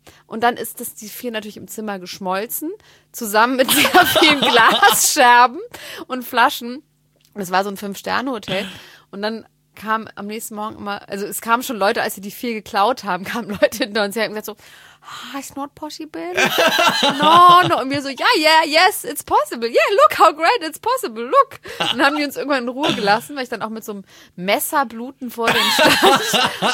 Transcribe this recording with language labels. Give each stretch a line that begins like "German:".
German: Und dann ist das die 4 natürlich im Zimmer geschmolzen. Zusammen mit sehr vielen Glasscherben und Flaschen. Das war so ein 5-Sterne-Hotel. Und dann kam am nächsten Morgen immer, also es kamen schon Leute, als sie die 4 geklaut haben, kamen Leute hinter uns her und gesagt so,
English: it's not possible. No, no.
German: Und wir so,
English: yeah, yeah, yes, it's possible. Yeah, look how great, it's possible, look.
German: Und haben die uns irgendwann in Ruhe gelassen, weil ich dann auch mit so einem Messer bluten vor dem Stand.